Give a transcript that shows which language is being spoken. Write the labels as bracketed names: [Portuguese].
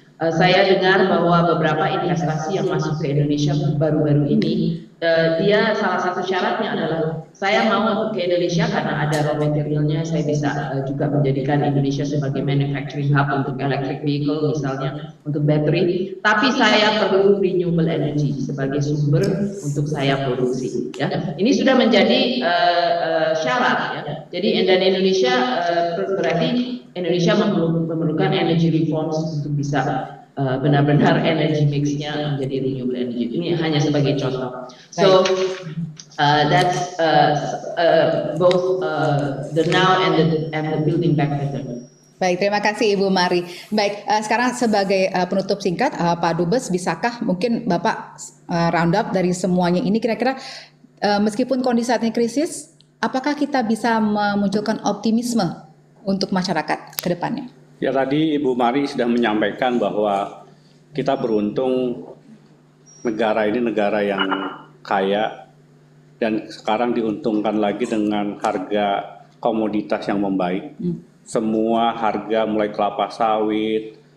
[Indonesian] Saya dengar bahwa beberapa investasi yang masuk ke Indonesia baru-baru ini, dia salah satu syaratnya adalah saya mau masuk ke Indonesia karena ada raw materialnya, saya bisa juga menjadikan Indonesia sebagai manufacturing hub untuk electric vehicle misalnya, untuk battery, tapi saya perlu renewable energy sebagai sumber untuk saya produksi, ya. Ini sudah menjadi syarat, ya. Jadi dan Indonesia berarti Indonesia memerlukan energy reforms untuk bisa benar-benar energy mix-nya menjadi renewable energy. Ini hanya sebagai contoh. [English] So that's both the now and the building back better. [Indonesian] Baik, terima kasih Ibu Mari. Baik, sekarang sebagai penutup singkat, Pak Dubes, bisakah mungkin Bapak round up dari semuanya ini, kira-kira meskipun kondisi saat ini krisis, apakah kita bisa memunculkan optimisme untuk masyarakat ke depannya? Ya, tadi Ibu Mari sudah menyampaikan bahwa kita beruntung negara ini negara yang kaya, dan sekarang diuntungkan lagi dengan harga komoditas yang membaik. Semua harga mulai kelapa sawit,